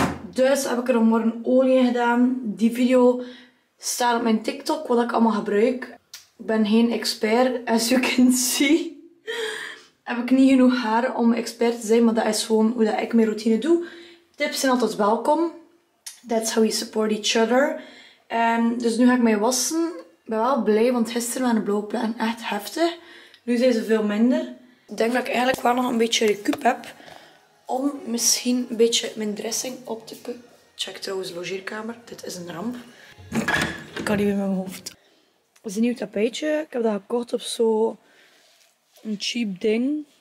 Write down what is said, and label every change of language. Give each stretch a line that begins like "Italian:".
Dutch: Dus heb ik er vanmorgen olie in gedaan. Die video staat op mijn TikTok, wat ik allemaal gebruik. Ik ben geen expert,
English: as you can see.
Dutch: Heb ik niet genoeg haar om expert te zijn, maar dat is gewoon hoe ik mijn routine doe. Tips zijn altijd welkom.
English: That's how we support each other.
Dutch: Dus nu ga ik mij wassen. Ik ben wel blij, want gisteren waren de blauwe plekken echt heftig. Nu zijn ze veel minder. Ik denk dat ik eigenlijk wel nog een beetje recup heb. Om misschien een beetje mijn dressing op te Check trouwens de logeerkamer. Dit is een ramp. Ik kan niet meer met mijn hoofd. Het is een nieuw tapijtje. Ik heb dat gekocht op zo'n cheap ding.